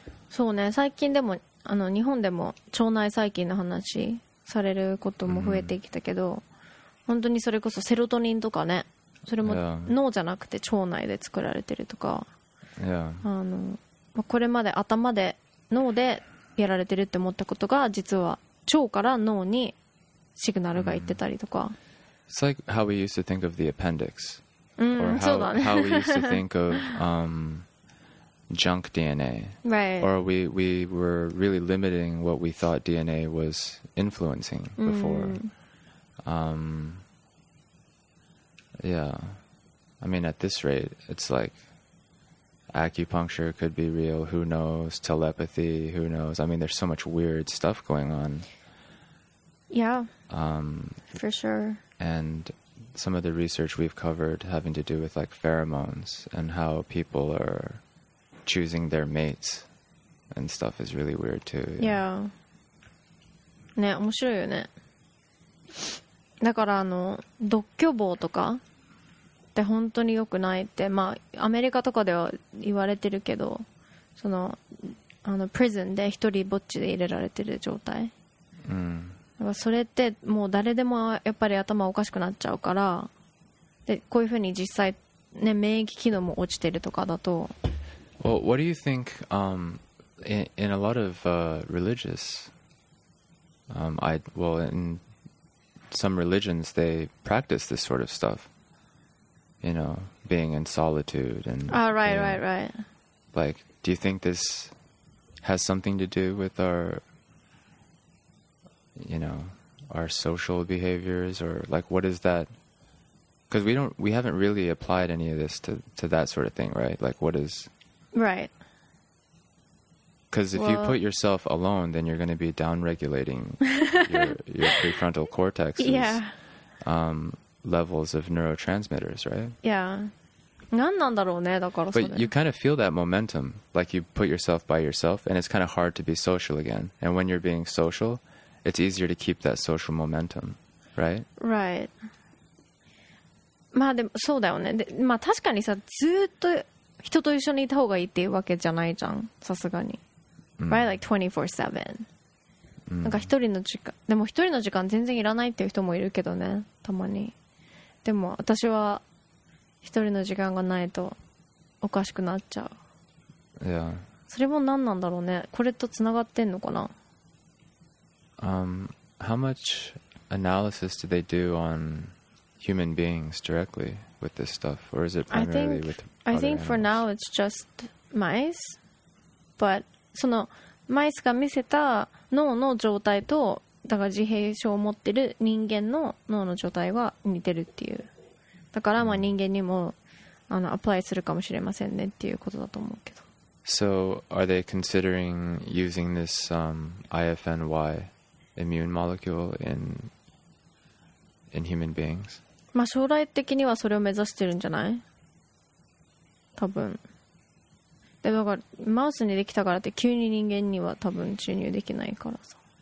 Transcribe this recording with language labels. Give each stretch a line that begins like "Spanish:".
Japanese: そうね、最近でも、あの、日本でも腸内細菌の話されることも増えてきたけど、mm-hmm. 本当にそれこそセロトニンとかね、それも脳じゃなくて腸内で作られてるとか、
English: yeah.
Japanese: あのまあ、これまで頭で脳でやられてるって思ったことが実は腸から脳にシグナルが行ってたりとか、
English: It's like how we used to think of the appendix, or how,
Japanese: そうだね。
English: how we used to think of junk DNA, right? Or we were really limiting what we thought DNA was influencing before.、Mm. Yeah, I mean, at this rate, it's like acupuncture could be real. Who knows? Telepathy? Who knows? I mean, there's so much weird stuff going on. Yeah. For sure. And some of the research we've covered having to do with like pheromones and how people are. choosing their mates and stuff is really weird too.
Japanese: Yeah. yeah. ね、面白いよね。だからあの独居房とかって本当に良くないって、まあアメリカとかでは言われてるけど、そのあのプリズンで一人ぼっちで入れられてる状態。うん。だからそれってもう誰でもやっぱり頭おかしくなっちゃうから、でこういう風に実際ね免疫機能も落ちてるとかだと。
English: Well, what do you think, in a lot of religious In some religions, they practice this sort of stuff. You know, being in solitude and... Right. Like, do you think this has something to do with our, you know, our social behaviors? Or, like, what is that? Because we haven't really applied any of this to that sort of thing, right? Like, what is... Right. Because if you put yourself alone, then you're going to be downregulating your prefrontal cortex. Yeah. Levels of neurotransmitters, right? Yeah.
Japanese: 何なんだろうね、だからそれ。
English: But you kind of feel that momentum, like you put yourself by yourself, and it's kind of hard to be social again. And when you're being social, it's easier to keep that social momentum, right?
Japanese: Right. まあでもそうだよね。まあ確かにさ、ずっと人と一緒にいた方がいいっていうわけじゃないじゃん、さすがに。
English: Right, like 24/7.
Japanese: なんか一人の時間でも一人の時間全然いらないっていう人もいるけどね、たまに。でも私は一人の時間がないとおかしくなっちゃう。いや、それも何なんだろうね、これとつながってんのかな。
English: How much analysis do they do on human beings directly with this stuff, or is it primarily I think for now it's just mice, but
Japanese: そのマイスが見せた脳の状態と、だから自閉症を持ってる人間の脳の状態は似てるっていう。だからまあ人間にもアプライするかもしれませんねっていうことだと思うけど。
English: So are they considering using this IFNY immune molecule in human beings?
Japanese: まあ将来的にはそれを目指してるんじゃない？多分。でだからマウスにできたからって急に人間には多分注入できないからさ。